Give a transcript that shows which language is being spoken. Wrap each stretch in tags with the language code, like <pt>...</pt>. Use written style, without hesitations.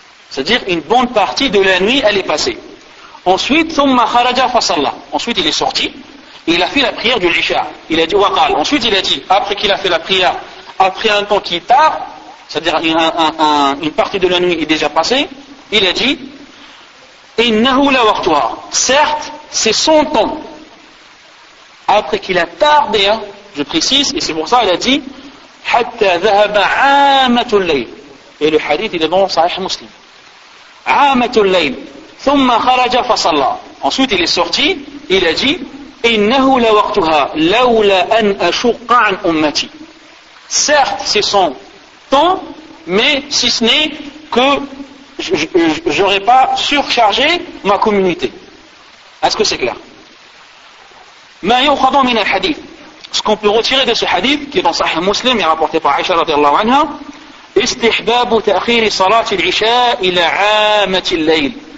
<fr>C'est-à-dire une bonne partie de la nuit, elle est passée. Ensuite,</fr> <ar>ثم خرج فصلى.</ar> <fr>Ensuite, il est sorti. Il a fait la prière du Isha. Il a dit waqal. Ensuite, il a dit, après qu'il a fait la prière, après un temps qui est tard, c'est-à-dire une partie de la nuit est déjà passée, il a dit,</fr> <ar>إنه لا وقتها.</ar> <fr>Certes, c'est son temps. Après qu'il a tardé, hein, je précise, et c'est pour ça qu'il a dit,</fr> <ar>حتى ذهب عامة الليل.</ar> <fr>Et le hadith, il est dans Sahih Muslim.</fr> <ar>عامة الليل. ثم خرج فصلى.</ar> <fr>Ensuite, il est sorti, il a dit,</fr> <ar>إنه لا وقتها لولا أن أشق عن أمتي.</ar> <fr>Certes, c'est son temps, mais si ce n'est que je n'aurais pas surchargé ma communauté. Est-ce que c'est clair?</fr> <ar>ما يؤخذ من الحديث.</ar> <fr>Ce qu'on peut retirer de ce hadith, qui est dans Sahih Muslim, est rapporté par Aisha radiallahu anha,</fr> <ar>استحباب تأخير صلاة العشاء إلى عامة الليل.</ar>